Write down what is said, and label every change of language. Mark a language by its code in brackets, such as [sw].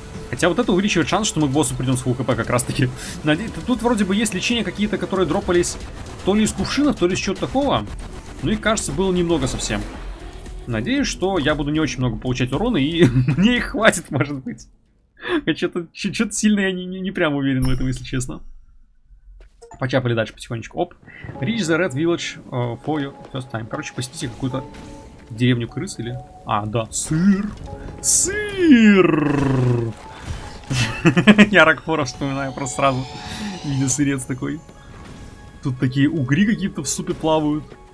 [ru] Хотя вот это увеличивает шанс, что мы к боссу придем с фулл хп как раз таки. Тут вроде бы есть лечения какие-то, которые дропались то ли из кувшинов, то ли из чего-то такого. Но их, кажется, было немного совсем. Надеюсь, что я буду не очень много получать урона, и мне их хватит, может быть. Что-то сильно я не прям уверен в этом, если честно. Почапали дальше потихонечку. Оп. [en] Reach the Red Village for your first time. [ru] Короче, посетите какую-то деревню крыс или... А, да. Сыр. Сыр. Я Рокфора вспоминаю просто сразу. Видя сырец такой. Тут такие угри какие-то в супе плавают.